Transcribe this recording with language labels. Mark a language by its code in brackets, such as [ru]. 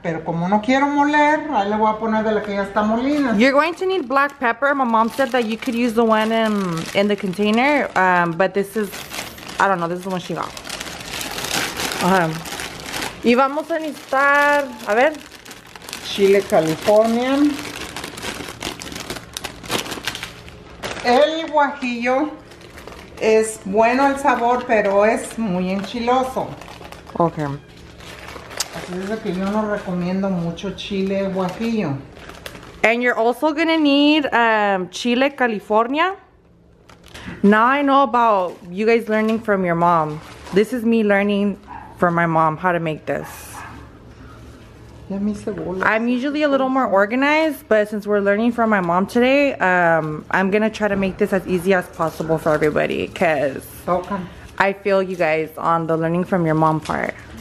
[es] Pero como no quiero moler, ahí le voy a poner de la que ya está molida. [en] You're going to need black pepper. My mom said that you could use the one in the container. But this is... I don't know. This is the one she got. [es] Y vamos a necesitar... A ver. [en] Chile Californian. [es] El guajillo... Es bueno el sabor, pero es muy enchiloso. Ok. Así es que yo no recomiendo mucho chile guajillo. [en] And you're also gonna need chile California. Now I know about you guys learning from your mom. This is me learning from my mom how to make this. I'm usually a little more organized, but since we're learning from my mom today, I'm gonna try to make this as easy as possible for everybody, because I feel you guys on the learning from your mom part.